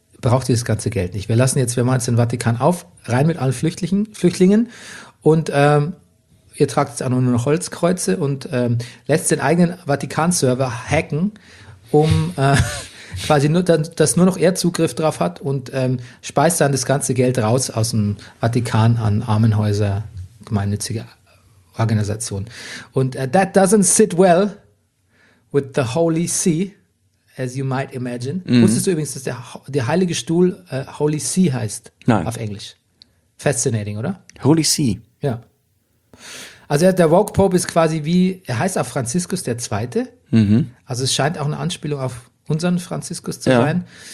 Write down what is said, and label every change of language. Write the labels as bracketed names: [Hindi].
[German] braucht dieses ganze Geld nicht. Wir lassen jetzt, wir machen jetzt den Vatikan auf, rein mit allen Flüchtlingen und ihr tragt jetzt auch nur noch Holzkreuze und lässt den eigenen Vatikan-Server hacken, um quasi nur, dass nur noch er Zugriff drauf hat und speist dann das ganze Geld raus aus dem Vatikan an Armenhäuser, gemeinnützige Organisationen. [English] Und that doesn't sit well with the Holy See, as you might imagine. Mhm. [German] Wusstest du übrigens, dass der Heilige Stuhl Holy See heißt? Nein. Auf Englisch. Fascinating, oder? [English] Holy See. [German] Ja. Also der Woke Pope ist quasi wie, er heißt auch Franziskus der Zweite. Mhm. Also es scheint auch eine Anspielung auf unseren Franziskus zu sein.